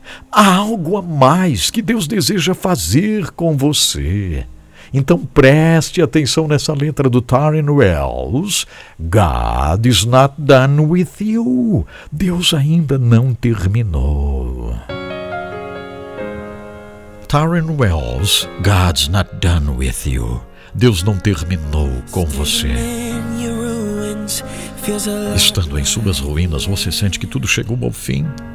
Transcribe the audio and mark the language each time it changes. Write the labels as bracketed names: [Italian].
[Portuguese] Há algo a mais que Deus deseja fazer com você. Então preste atenção nessa letra do Tarin Wells. [English] God is not done with you. [Portuguese] Deus ainda não terminou. [English] Tarin Wells, God's not done with you. [Portuguese] Deus não terminou com você. Estando em suas ruínas, você sente que tudo chegou ao fim.